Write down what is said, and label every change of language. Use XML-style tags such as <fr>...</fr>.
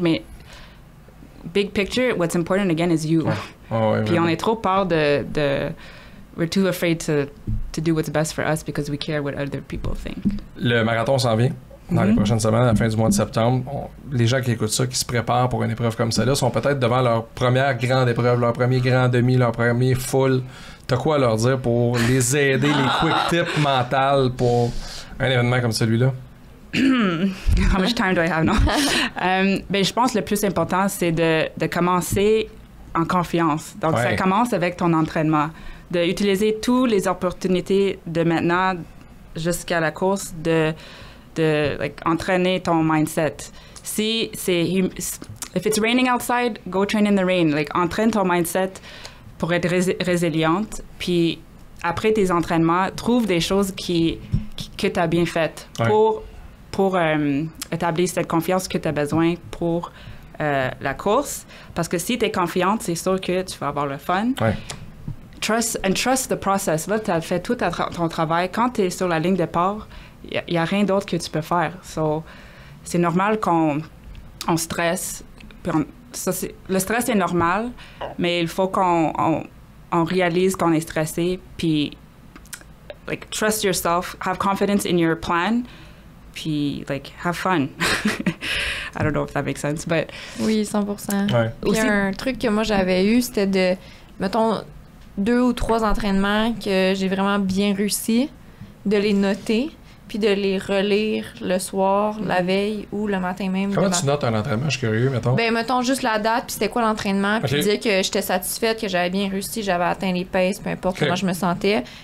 <en>Mais big picture, what's important again is you. Puis on est trop peur de we're too afraid to do what's best for us because we care what other people think.</en> <fr>Le marathon s'en vient dans les prochaines semaines, à la fin du mois de septembre. Les gens qui écoutent ça, qui se préparent pour une épreuve comme celle-là, sont peut-être devant leur première grande épreuve, leur premier grand demi, leur premier full. T'as quoi à leur dire pour les aider, les quick tips mentales pour un événement comme celui-là?</fr> <en>How much time do I have now?</en> <fr>Je pense que le plus important, c'est de commencer en confiance. Donc, ça commence avec ton entraînement. D'utiliser toutes les opportunités de maintenant jusqu'à la course de entraîner ton mindset. Si c'est...</fr> <en>If it's raining outside, go train in the rain.</en> <fr>Like, entraîne ton mindset pour être résiliente. Puis, après tes entraînements, trouve des choses que tu as bien faites pour établir cette confiance que tu as besoin pour la course. Parce que si tu es confiante, c'est sûr que tu vas avoir le fun. Ouais. trust the process. Là, tu as fait tout ton travail. Quand tu es sur la ligne de départ, il n'y a rien d'autre que tu peux faire. So, c'est normal qu'on stresse. Puis le stress est normal, mais il faut qu'on réalise qu'on est stressé.</fr> <en>Puis, like, trust yourself, have confidence in your plan. Puis, like, have fun. I don't know if that makes sense, but...</en> <fr>Oui, 100%. Ouais. Puis, un truc que moi, j'avais eu, c'était de, mettons, 2 ou 3 entraînements que j'ai vraiment bien réussi, de les noter, puis de les relire le soir, la veille, ou le matin même. Comment tu notes un entraînement? Je suis curieux, mettons. Ben, mettons, juste la date, puis c'était quoi l'entraînement, puis dire que j'étais satisfaite, que j'avais bien réussi, j'avais atteint les pèses, peu importe comment je me sentais.</fr>